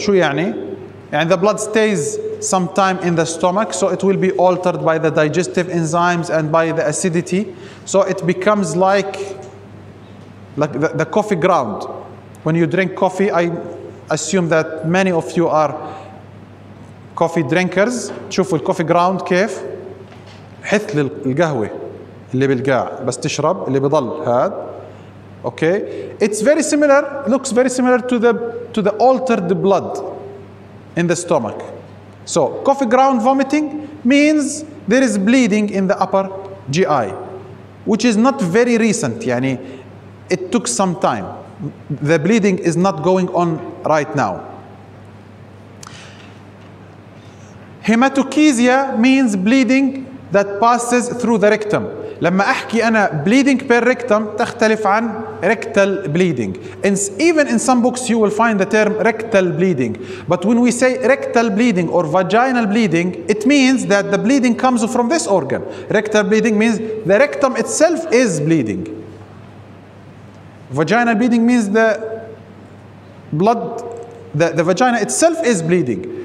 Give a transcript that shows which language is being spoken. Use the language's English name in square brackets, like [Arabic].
[Arabic] شو يعني؟ [English] And the blood stays some time in the stomach, so it will be altered by the digestive enzymes and by the acidity. So it becomes like the coffee ground. When you drink coffee, I assume that many of you are coffee drinkers. [Arabic] شوفوا الكوفي جراوند كيف حث للقهوة اللي بالقاع بس تشرب اللي بضل هاد. [English] Okay, it's very similar. Looks very similar to the altered blood in the stomach. So coffee ground vomiting means there is bleeding in the upper GI, which is not very recent. يعني it took some time. The bleeding is not going on right now. Hematochezia means bleeding that passes through the rectum. [Arabic] لما أحكي أنا [English] bleeding per rectum [Arabic] تختلف عن [English] rectal bleeding. And even in some books you will find the term rectal bleeding. But when we say rectal bleeding or vaginal bleeding, it means that the bleeding comes from this organ. Rectal bleeding means the rectum itself is bleeding. Vaginal bleeding means the blood, the vagina itself is bleeding.